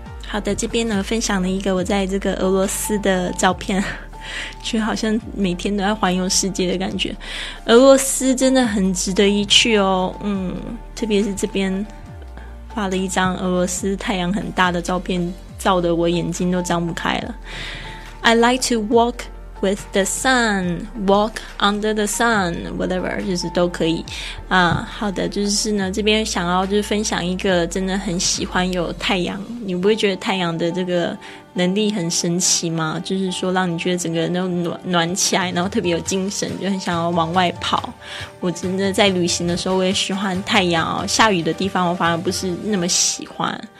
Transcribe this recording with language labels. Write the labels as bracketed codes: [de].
[zh] 好的，这边呢，分享了一个我在这个俄罗斯的照片，就好像每天都在环游世界的感觉。俄罗斯真的很值得一去哦，特别是这边发了一张俄罗斯太阳很大的照片，照得我眼睛都张不开了。 [en] I like to walk with the sun, walk under the sun, whatever, [zh] 就是都可以。好的，就是呢，这边想要就是分享一个真的很喜欢有太阳，你不会觉得太阳的这个能力很神奇吗？就是说让你觉得整个人都 暖起来，然后特别有精神，就很想要往外跑。我真的在旅行的时候我也喜欢太阳哦，下雨的地方我反而不是那么喜欢。